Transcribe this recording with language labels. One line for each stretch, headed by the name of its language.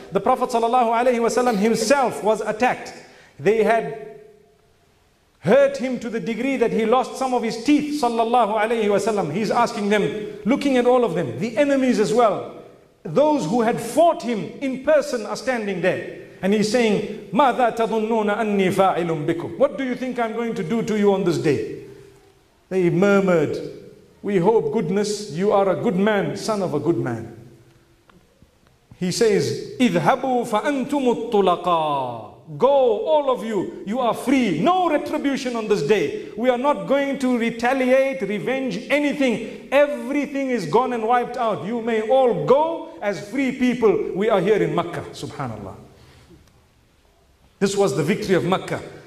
English: The Prophet sallallahu alaihi wasallam himself was attacked. They had hurt him to the degree that he lost some of his teeth, sallallahu alayhi wasallam. He's asking them, looking at all of them, the enemies as well, those who had fought him in person are standing there. And he's saying,
Arabic: مَاذَا تَظُنُّونَ أَنِّي فَاعِلٌ بِكُمْ.
English: What do you think I'm going to do to you on this day? They murmured, we hope goodness, you are a good man, son of a good man. He says,
Arabic: اِذْهَبُوا فَأَنْتُمُ الطُّلَقَاءُ.
English: Go, all of you, you are free. No retribution on this day. We are not going to retaliate, revenge, anything. Everything is gone and wiped out. You may all go as free people. We are here in Makkah, subhanallah. This was the victory of Makkah.